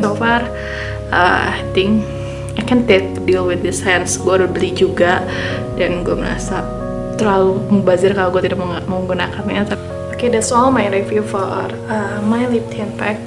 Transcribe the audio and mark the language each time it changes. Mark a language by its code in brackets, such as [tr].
[en] So far, I think I can take deal with this hands. [id] Gue udah beli juga dan gue merasa terlalu mubazir kalau gue tidak mau menggunakannya. [en] Okay, that's all my review for my lip tint pack.